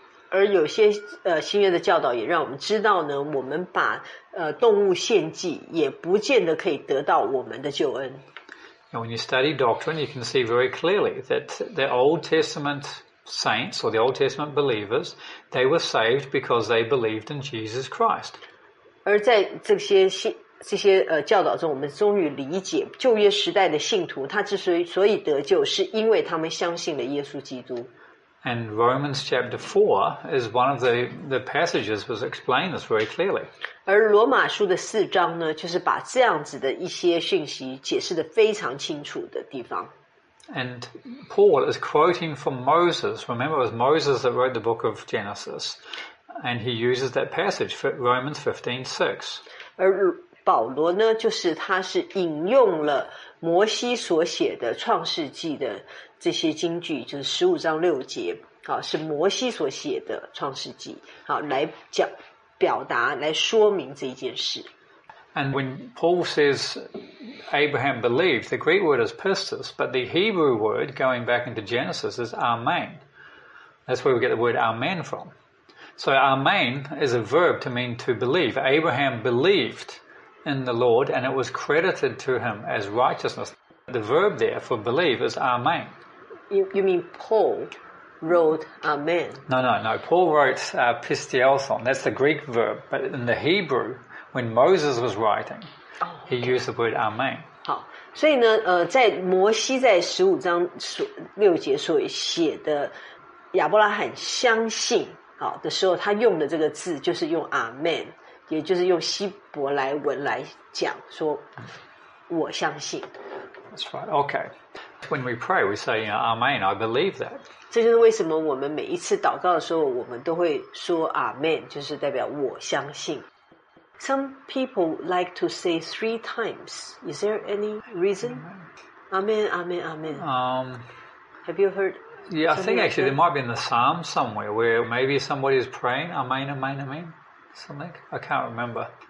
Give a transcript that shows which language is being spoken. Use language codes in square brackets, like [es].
[zh] 而有些新约的教导也让我们知道呢，我们把动物献祭也不见得可以得到我们的救恩。 [en] And when you study doctrine, you can see very clearly that the Old Testament saints or the Old Testament believers, they were saved because they believed in Jesus Christ. [zh] 而在这些教导中，我们终于理解旧约时代的信徒，他之所以得救，是因为他们相信了耶稣基督。 [en] And Romans chapter 4 is one of the passages which explains this very clearly. [zh] 而罗马书的四章呢，就是把这样子的一些讯息解释得非常清楚的地方。 [en] And Paul is quoting from Moses. Remember, it was Moses that wrote the book of Genesis. And he uses that passage, Romans 15:6. [zh] 而保罗呢，就是他是引用了摩西所写的创世纪的这些经句，就是十五章六节，是摩西所写的创世纪，来讲表达来说明这件事。 [en] And when Paul says Abraham believed. The Greek word is pistis, but the Hebrew word going back into Genesis is amen. That's where we get the word amen from. So amen is a verb to mean to believe. Abraham believed in the Lord and it was credited to him as righteousness. The verb there for believe is amen. You mean Paul wrote amen? No. Paul wrote pistiotheson. That's the Greek verb. But in the Hebrew, when Moses was writing, he used the word amen. [zh] 好，所以呢，在摩西在十五章六节所写的亚伯拉罕相信好的时候，他用的这个字就是用 amen， 也就是用希伯来文来讲说我相信。 [en] That's right. Okay. When we pray, we say, you know, amen. I believe that. [zh] 这就是为什么我们每一次祷告的时候，我们都会说 amen， 就是代表我相信。 [en] Some people like to say three times. Is there any reason? Amen, amen, amen. Have you heard? Yeah, I think actually there might be in the Psalms somewhere where maybe somebody is praying, amen, amen, amen, something. I can't remember.